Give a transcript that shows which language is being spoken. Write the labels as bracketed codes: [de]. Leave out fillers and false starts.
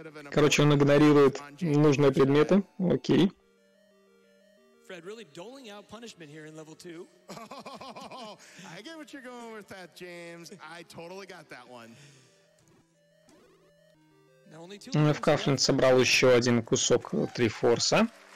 [ru] Короче, он игнорирует нужные предметы. Окей. [en] Fred really doling out punishment here in level 2. I get what you're going with that, James. I totally got that one. [ru] Фкафлин собрал еще один кусок Трифорса.